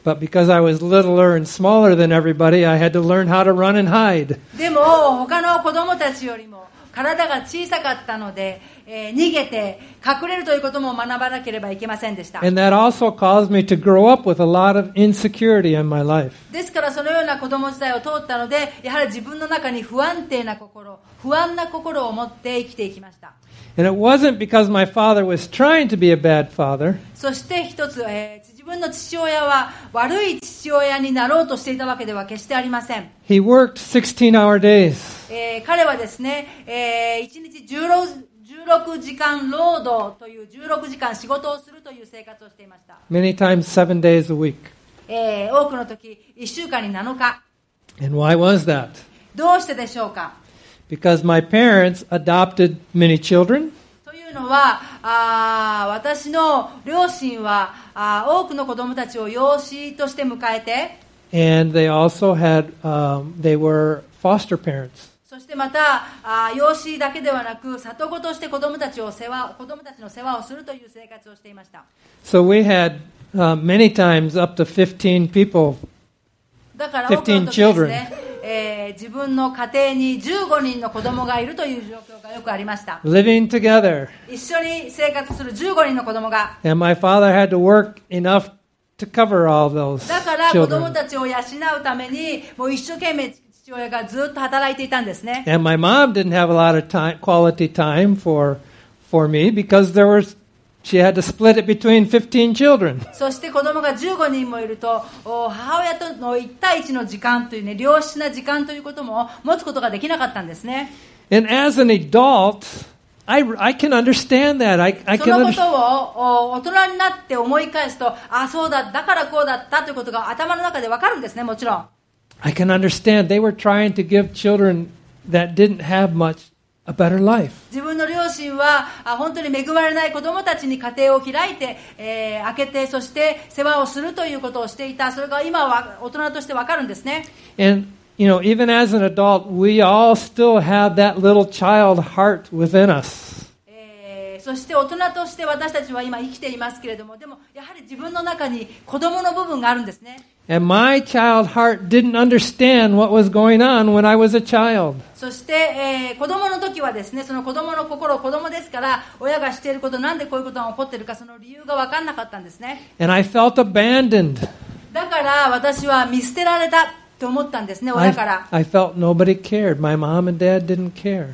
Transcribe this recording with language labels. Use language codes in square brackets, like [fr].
[en] But because I was littler and smaller than everybody, I had to learn how to run and hide. [ja] でも他の子供たちよりも体が小さかったので、逃げて隠れるということも学ばなければいけませんでした。 [en] And that also caused me to grow up with a lot of insecurity in my life. [ja] ですからそのような子供時代を通ったので、やはり自分の中に不安定な心、不安な心を持って生きていきました。 [en] And it wasn't because my father was trying to be a bad father. [ja] そして一つ、自分の父親は悪い父親になろうとしていたわけでは決してありません。 [en] He worked 16-hour days. [ja] 彼はですね、1日16時間労働という16時間仕事をするという生活をしていました。 [en] Many times 7 days a week. [ja] 多くの時1週間に7日。 [en] And why was that? [ja] どうしてでしょうか？ [en] Because my parents adopted many children. [ja] というのは、私の両親は多くの子供たちを養子として迎えて、 [en] and they also had, they were foster parents. [ja] そしてまた、養子だけではなく、里子として子供たちの世話をするという生活をしていました。 [en] So we had, many times up to 15 people. [ja] だから多くの時ですね、 [en] 15 children. [ja] 自分の家庭に15人の子供がいるという状況がよくありました。 [en] Living together. [ja] 一緒に生活する15人の子供が。 [en] And my father had to work enough to cover all those children. [ja] だから子供たちを養うためにもう一生懸命父親がずっと働いていたんですね。 [en] And my mom didn't have a lot of time, quality time for me because there was she had to split it between 15 children. [ja] そして子供が15人もいると、母親との一対一の時間というね、良質な時間ということも持つことができなかったんですね。 [en] And as an adult, I can understand that. I can understand. [ja] そのことを大人になって思い返すと、ああそうだ、だからこうだったということが頭の中でわかるんですね、もちろん。 [en] I can understand. They were trying to give children that didn't have much. A better life. [ja] 自分の両親は本当に恵まれない子供たちに家庭を開いて、開けてそして世話をするということをしていた。それが今は大人として分かるんですね。 [en] And you know, even as an adult, we all still have that little child heart within us. [ja] そして大人として私たちは今生きていますけれども、でもやはり自分の中に子供の部分があるんですね。 [en] And my child heart didn't understand what was going on when I was a child. [ja] そして、子供の時はですね、その子供の心を子供ですから、親がしていること、なんでこういうことが起こっているか、その理由が分からなかったんですね。 [en] And I felt abandoned. [ja] だから私は見捨てられたと思ったんですね、親から。 [en] I felt nobody cared. My mom and dad didn't care.